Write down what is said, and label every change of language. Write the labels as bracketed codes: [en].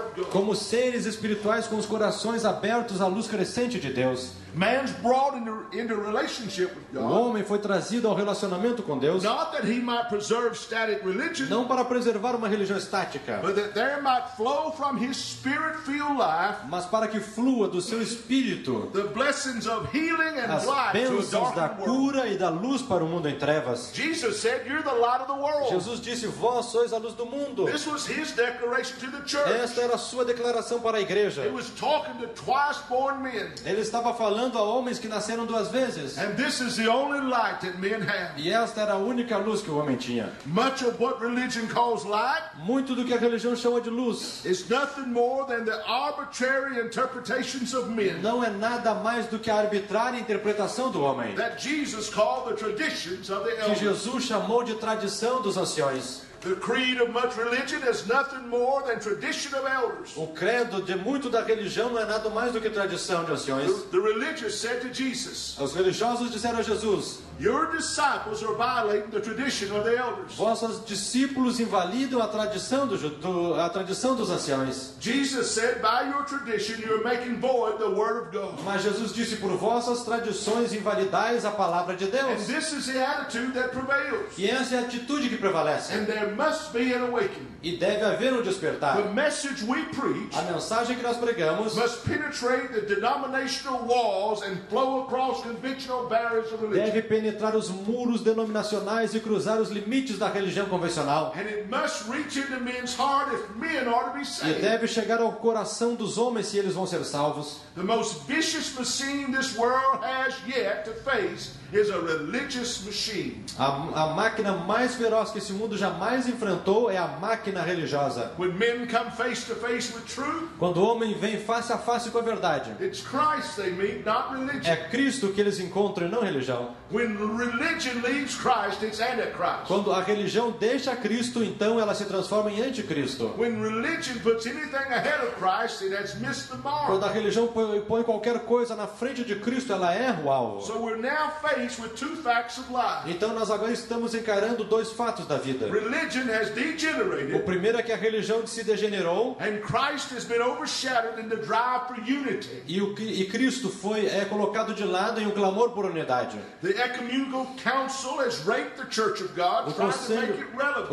[pt] Como seres espirituais com os corações abertos à luz crescente de Deus. [en] Man's brought into relationship with God. [pt] O homem foi trazido ao relacionamento com Deus. [en] Not that he might preserve static religion, [pt] não para preservar uma religião estática, [en] but that there might flow from his spirit-filled life, [pt] mas para que flua do seu espírito [en] the blessings of healing and [pt] as bênçãos da cura [en] world. [pt] E da luz para o mundo em trevas. [en] Jesus, said, you're the light of the world. [pt] Jesus disse: vós sois a luz do mundo. [en] This was his declaration to the church. [pt] Esta era a sua declaração para a igreja. [en] He was talking to twice-born men. [pt] Ele estava falando a homens que nasceram duas vezes. [en] And this is the only light that men have. [pt] E esta era a única luz que o homem tinha. [en] Much of what religion calls light, [pt] muito do que a religião chama de luz, [en] is nothing more than the arbitrary interpretations of men. [pt] Não é nada mais do que a arbitrária interpretação do homem. [en] That Jesus called the traditions of the elders. [pt] Que Jesus chamou de tradição dos anciões. [en] The creed of much religion is nothing more than tradition of elders. [pt] O credo de muito da religião não é nada mais do que tradição de anciões. [en] The religious said to Jesus. [pt] Os religiosos disseram a Jesus: [en] your disciples are violating the tradition of the elders. [pt] Vossos discípulos invalidam a tradição dos anciões. [en] Jesus said, by your tradition you're making void the word of God. [pt] Mas Jesus disse: por vossas tradições invalidais a palavra de Deus. [en] And this is the attitude that prevails. [pt] E essa é a atitude que prevalece. [en] And there must be an awakening. [pt] E deve haver um despertar. [en] The message we preach, [pt] a mensagem que nós pregamos, [en] must penetrate the denominational walls and flow across conventional barriers of religion. [pt] Deve penetrar os muros denominacionais e cruzar os limites da religião convencional. [en] And it must reach into men's heart if men are to be saved. [pt] E deve chegar ao coração dos homens se eles vão ser salvos. [en] The most vicious machine this world has yet to face is a religious machine. [pt] A máquina mais feroz que esse mundo jamais enfrentou é a máquina religiosa. [en] When men come face to face with truth, [pt] quando o homem vem face a face com a verdade, [en] it's Christ they meet, not religion. [pt] É Cristo que eles encontram, não religião. [en] When religion leaves Christ, it's antichrist. [pt] Quando a religião deixa Cristo, então ela se transforma em anticristo. [en] When religion puts anything ahead of Christ, it has missed the mark. [pt] Quando a religião põe qualquer coisa na frente de Cristo, ela erra o alvo. [en] So we're now faced with two facts of life. [pt] Então nós agora estamos encarando dois fatos da vida. [en] Religion has degenerated. [pt] O primeiro é que a religião se degenerou. [en] And Christ has been overshadowed in the drive for unity. [pt] E Cristo foi colocado de lado em um clamor por unidade. [en] The ecumenical council has raped the church of God, trying to make it relevant.